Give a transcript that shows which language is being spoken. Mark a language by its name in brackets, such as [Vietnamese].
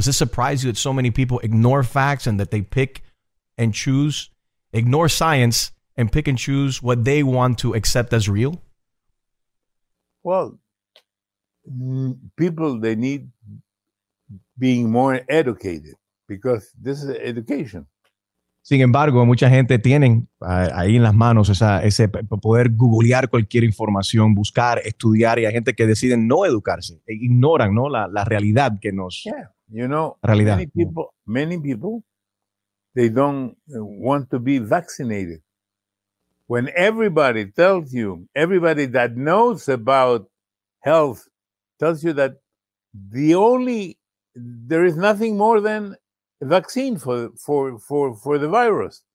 [English] Does it surprise you that so many people ignore facts and that they pick and choose, ignore science and pick and choose what they want to accept as real? Well, people, they need being more educated. Because this is education. [Spanish] Sin embargo, mucha gente tienen ahí en las manos ese poder googlear cualquier información, buscar, estudiar, y hay gente que decide no educarse, e ignoran, ¿no? La realidad que nos... [English] Yeah, you know, many people, they don't want to be vaccinated. When everybody tells you, everybody that knows about health tells you that there is nothing more than a vaccine for the virus.